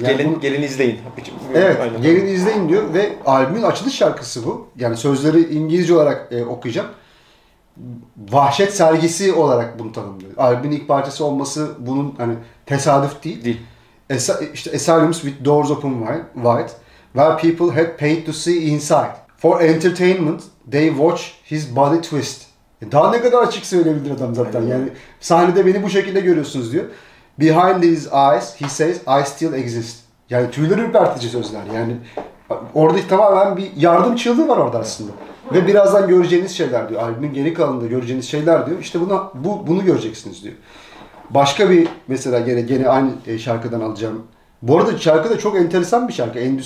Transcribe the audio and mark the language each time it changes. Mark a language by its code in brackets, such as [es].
[tr] Yani gelin izleyin. Evet, aynen. Gelin izleyin diyor ve albümün açılış şarkısı bu. Yani sözleri İngilizce olarak okuyacağım. Vahşet sergisi olarak bunu tanımlıyor. Albümün ilk parçası olması bunun hani tesadüf değil. Değil. İşte Asylums with Doors Open Wide. [en] Where people had paid to see inside. For entertainment, they watch his body twist. [tr] Daha ne kadar açık söyleyebilir adam zaten. Aynen. Yani sahnede beni bu şekilde görüyorsunuz diyor. [en] Behind his eyes, he says, I still exist. [tr] Yani tüyleri ürpertici sözler. Yani orada tamamen bir yardım çığlığı var orada aslında. Ve birazdan göreceğiniz şeyler diyor. Albümün geri kalanında göreceğiniz şeyler diyor. İşte bunu göreceksiniz diyor. Başka bir mesela gene aynı şarkıdan alacağım. Bu arada şarkı da çok enteresan bir şarkı.